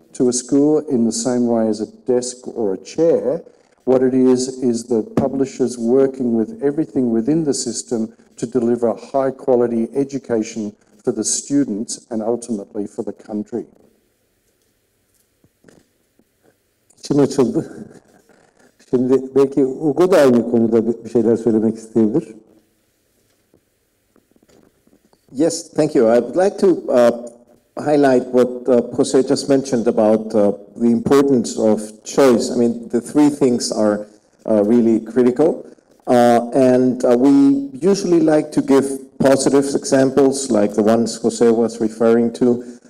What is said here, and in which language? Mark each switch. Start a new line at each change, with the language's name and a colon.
English: to a school in the same way as a desk or a chair. What it is the publishers working with everything within the system to deliver high quality education for the students and ultimately for the country.
Turkish: İçim açıldı. Şimdi belki Hugo da aynı konuda bir şeyler söylemek isteyebilir.
English: Yes, thank you. I would like to highlight what José just mentioned about the importance of choice. I mean, the three things are really critical. And we usually like to give positive examples like the ones José was referring to.